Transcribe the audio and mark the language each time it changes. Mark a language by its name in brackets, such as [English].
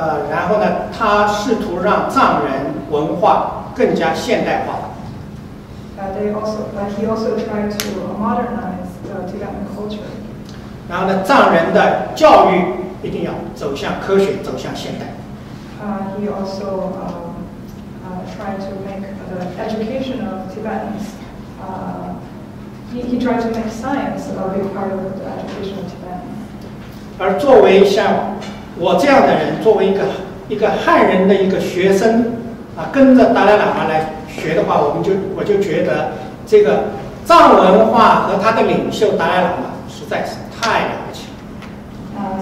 [Chinese] 然后呢，他试图让藏人文化更加现代化。 [English] He also tried to modernize the Tibetan culture. [Chinese] 然后呢，藏人的教育一定要走向科学，走向现代。 [English] He also tried to make the education of Tibetans. He tried to make science a big part of the education of Tibet. [Chinese] 而作为像我这样的人，作为一个汉人的一个学生，跟着达赖喇嘛来学的话，我就觉得这个藏文化和他的领袖达赖喇嘛实在是太了不起了。